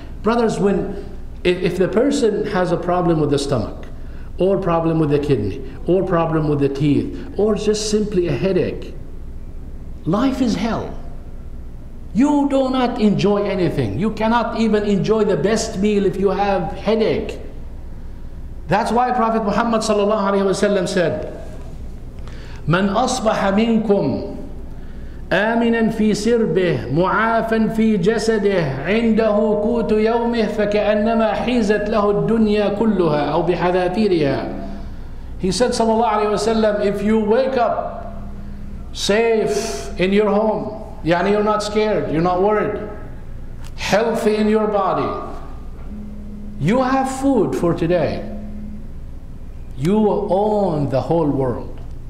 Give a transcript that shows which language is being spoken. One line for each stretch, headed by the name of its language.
English: Brothers, if the person has a problem with the stomach, or problem with the kidney, or problem with the teeth, or just simply a headache, life is hell. You do not enjoy anything. You cannot even enjoy the best meal if you have headache. That's why Prophet Muhammad sallallahu alaihi wasallam said,
Arabic: "Man asbaha minkum آمناً في سربه معافاً في جسده عنده قوت يومه فكأنما حيزت له الدنيا كلها أو بحذافيرها."
English: He said
Arabic: صلى الله عليه وسلم,
English: if you wake up safe in your home, يعني you're not scared, you're not worried, healthy in your body, you have food for today, you own the whole world.